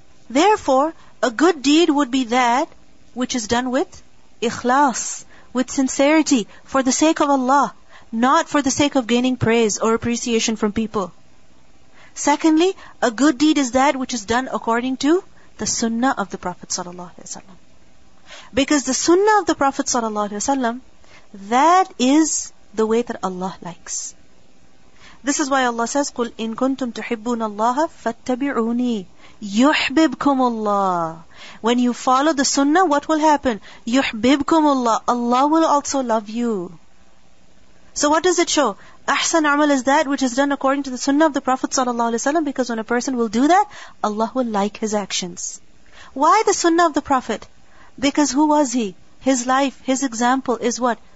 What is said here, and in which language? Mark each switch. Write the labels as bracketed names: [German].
[English] Therefore, a good deed would be that which is done with ikhlas, with sincerity, for the sake of Allah, not for the sake of gaining praise or appreciation from people. Secondly, a good deed is that which is done according to the sunnah of the Prophet ﷺ. Because the sunnah of the Prophet ﷺ, that is the way that Allah likes. This is why Allah says, [Arabic] قُلْ إِن كُنْتُمْ تُحِبُّونَ اللَّهَ فَاتَّبِعُونِي يُحْبِبْكُمُ اللَّهِ. [English] When you follow the sunnah, what will happen? [Arabic] يُحْبِبْكُمُ اللَّهِ. [English] Allah will also love you. So what does it show? Ahsan amal is that which is done according to the sunnah of the Prophet ﷺ, because when a person will do that, Allah will like his actions. Why the sunnah of the Prophet? Because who was he? His life, his example is what?